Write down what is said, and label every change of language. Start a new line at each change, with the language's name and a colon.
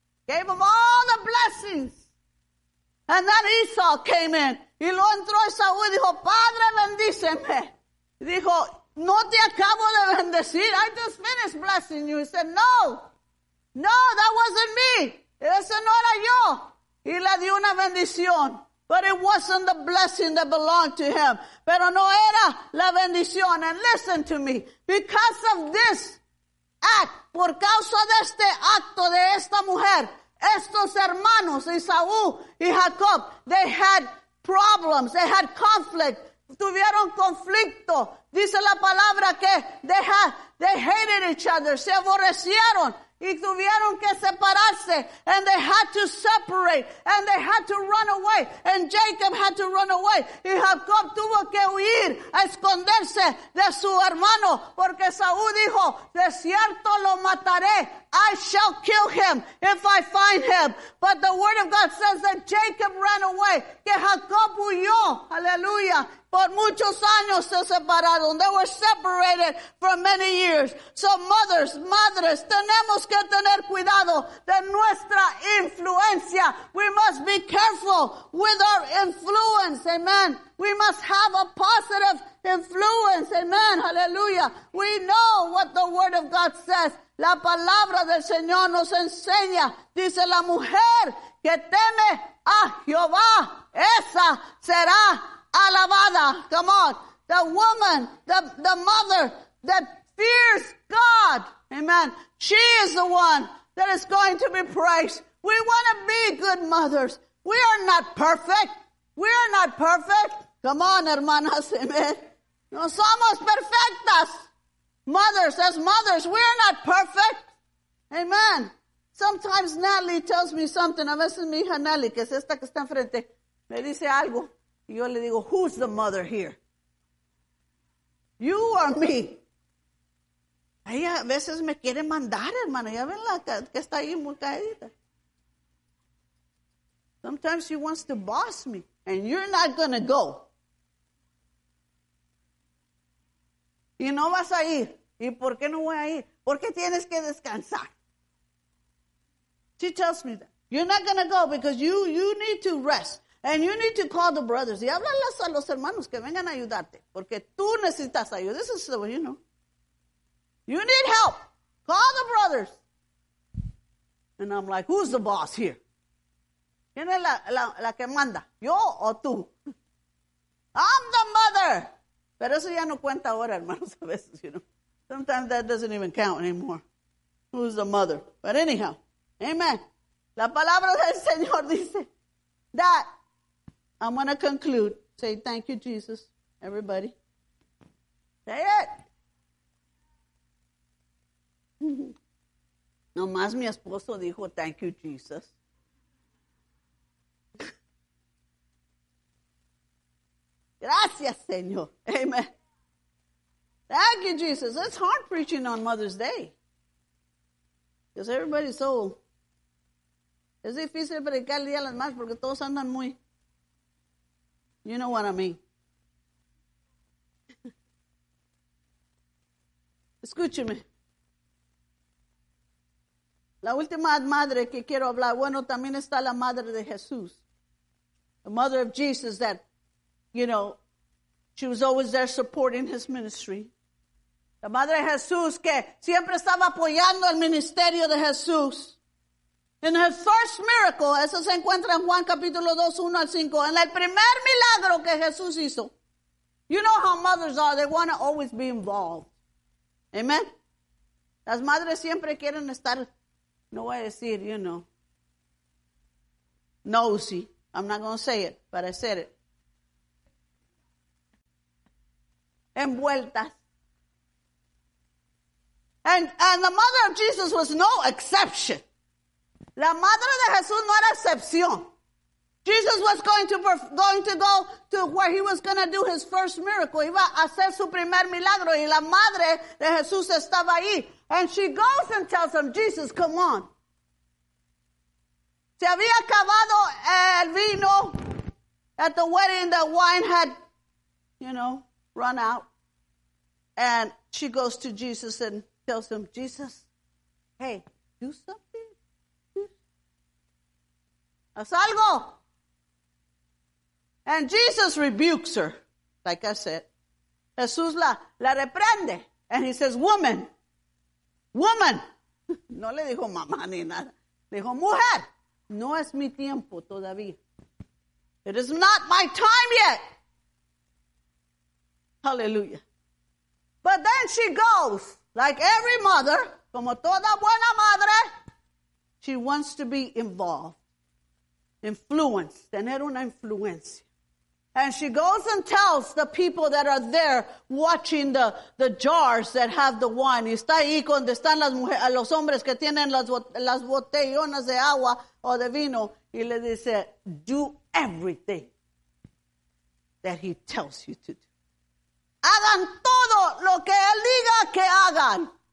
English: Gave him all the blessings. And then Esau came in.
Spanish: Y lo entró Esaú y dijo, Padre, bendíceme. Y dijo, no te acabo de bendecir.
English: I just finished blessing you. He said, no, that wasn't me.
Spanish: Ese no era yo. Y le dio una bendición.
English: But it wasn't the blessing that belonged to him.
Spanish: Pero no era la bendición.
English: And listen to me. Because of this act,
Spanish: por causa de este acto de esta mujer, estos hermanos, Esaú y Jacob,
English: they had problems. They had conflict.
Spanish: Tuvieron conflicto. Dice la palabra que
English: they hated each other.
Spanish: Se aborrecieron. Y tuvieron que separarse,
English: and they had to separate, and they had to run away, and Jacob had to run away.
Spanish: Y Jacob tuvo que huir, a esconderse de su hermano, porque Saúl dijo, de cierto lo mataré,
English: I shall kill him if I find him. But the word of God says that Jacob ran away,
Spanish: que Jacob huyó, aleluya. Por muchos años se separaron.
English: They were separated for many years.
Spanish: So madres, tenemos que tener cuidado de nuestra influencia.
English: We must be careful with our influence. Amen. We must have a positive influence. Amen. Hallelujah. We know what the word of God says.
Spanish: La palabra del Señor nos enseña. Dice la mujer que teme a Jehová. Esa será alabada,
English: come on. The woman, the mother that fears God, amen. She is the one that is going to be praised. We want to be good mothers. We are not perfect. We are not perfect. Come on, hermanas, amen.
Spanish: No somos perfectas.
English: Mothers, as mothers, we are not perfect. Amen. Sometimes Natalie tells me something.
Spanish: A veces mi hija Natalie, que es esta que está enfrente, me dice algo. Yo le digo,
English: who's the mother here? You or me?
Spanish: Ella a veces me quiere mandar, hermana. Ya ven la que está ahí muy caída.
English: Sometimes she wants to boss me, and you're not going to go.
Spanish: Y no vas a ir. ¿Y por qué no voy a ir? Porque tienes que descansar.
English: She tells me that. You're not going to go because you need to rest. And you need to call the brothers.
Spanish: Y háblalas a los hermanos que vengan a ayudarte. Porque tú necesitas ayuda.
English: This is the way you know. You need help. Call the brothers. And I'm like, who's the boss here?
Spanish: ¿Quién es la que manda? ¿Yo o tú?
English: I'm the mother.
Spanish: Pero eso ya no cuenta ahora, hermanos, a veces, you know.
English: Sometimes that doesn't even count anymore. Who's the mother? But anyhow, amen.
Spanish: La palabra del Señor dice
English: that I'm going to conclude. Say thank you, Jesus, everybody. Say it.
Spanish: Nomás mi esposo dijo,
English: thank you, Jesus.
Spanish: Gracias, Señor. Amen.
English: Thank you, Jesus. It's hard preaching on Mother's Day. Because everybody's so.
Spanish: Es difícil predicarle a las más porque todos andan muy.
English: You know what I mean.
Spanish: Escúcheme. La última madre que quiero hablar, bueno, también está la madre de Jesús.
English: The mother of Jesus that, you know, she was always there supporting his ministry.
Spanish: La madre de Jesús que siempre estaba apoyando el ministerio de Jesús.
English: In her first miracle,
Spanish: eso se encuentra en Juan capítulo 2, 1 al 5, en el primer milagro que Jesús hizo.
English: You know how mothers are, they want to always be involved. Amen.
Spanish: Las madres siempre quieren estar, no voy a decir,
English: you know, nosy. I'm not going to say it, but I said it.
Spanish: Envueltas.
English: And the mother of Jesus was no exception.
Spanish: La madre de Jesús no era excepción.
English: Jesus was going to go to where he was going to do his first miracle.
Spanish: Iba a hacer su primer milagro y la madre de Jesús estaba ahí.
English: And she goes and tells him, Jesus, come on.
Spanish: Se había acabado el vino
English: at the wedding. The wine had, you know, run out. And she goes to Jesus and tells him, Jesus, hey, do something.
Spanish: Haz algo.
English: And Jesus rebukes her, like I said.
Spanish: Jesús la reprende.
English: And he says, woman, woman.
Spanish: No le dijo mamá ni nada. Le dijo, mujer, no es mi tiempo todavía.
English: It is not my time yet. Hallelujah. But then she goes, like every mother,
Spanish: como toda buena madre,
English: she wants to be involved, influenced,
Spanish: tener una influencia.
English: And she goes and tells the people that are there watching the jars that have the wine.
Spanish: Y está ahí donde están las mujeres, los hombres que tienen las botellonas de agua o de vino. Y le dice,
English: do everything that he tells you to do.
Spanish: Hagan todo lo que él diga que hagan.